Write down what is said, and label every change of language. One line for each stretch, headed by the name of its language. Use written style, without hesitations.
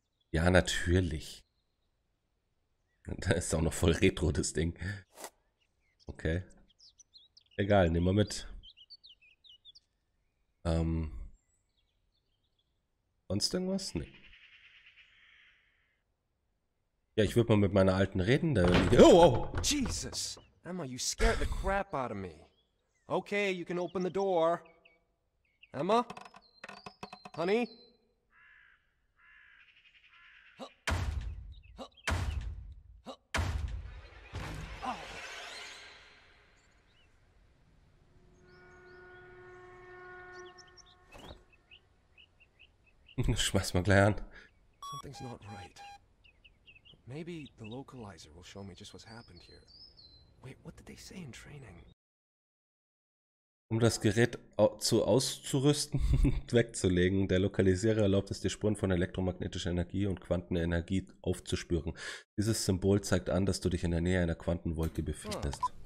German: Ja, natürlich. Da ist auch noch voll retro, das Ding. Okay. Egal, nehmen wir mit. Sonst irgendwas? Nee. Ja, ich würde mal mit meiner Alten reden. Da oh! Jesus!
English: Emma, you scared the crap out of me. Okay, you can open the door. Emma? Honey?
German: Schmeiß mal gleich an.
English: Something's not right. Maybe the localizer will show me just what's happened here. Wait, what did they say in training?
German: Um das Gerät auszurüsten, wegzulegen. Der Lokalisierer erlaubt es, die Spuren von elektromagnetischer Energie und Quantenenergie aufzuspüren. Dieses Symbol zeigt an, dass du dich in der Nähe einer Quantenwolke befindest.